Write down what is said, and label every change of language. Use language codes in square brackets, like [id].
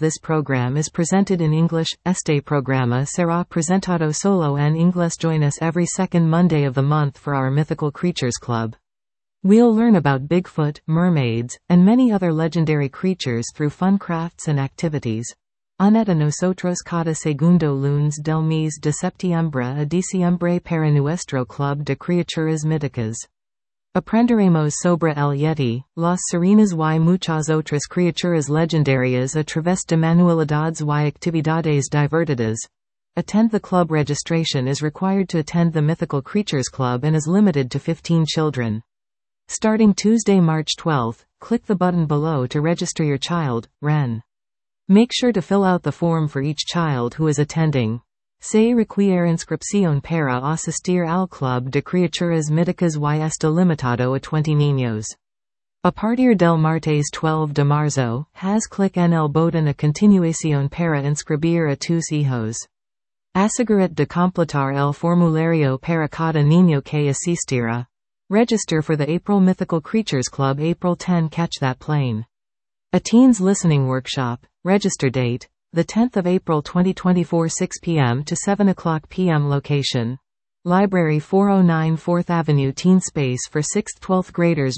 [en] This program is presented in English. [es] Este programa será presentado solo en inglés. [en] Join us every second Monday of the month for our Mythical Creatures Club. We'll learn about Bigfoot, mermaids, and many other legendary creatures through fun crafts and activities. [es] Aneta nosotros cada segundo lunes del mes de septiembre a diciembre para nuestro club de criaturas míticas. Aprenderemos sobre el yeti, las sirenas y muchas otras criaturas legendarias a través de manualidades y actividades divertidas. [en] Attend the club. Registration is required to attend the Mythical Creatures Club and is limited to 15 children. Starting Tuesday, March 12, click the button below to register your child, Ren. Make sure to fill out the form for each child who is attending. [es] Se requiere inscripción para asistir al club de criaturas míticas y está limitado a 20 niños. A partir del martes 12 de marzo, has click en el botón a continuación para inscribir a tus hijos. Asegúrate de completar el formulario para cada niño que asistirá. [en] Register for the April Mythical Creatures Club April 10. Catch that plane. A teens listening workshop. Register date: the 10th of April 2024, 6 p.m. to 7 o'clock p.m. Location: Library 409 4th Avenue Teen Space for 6th 12th graders.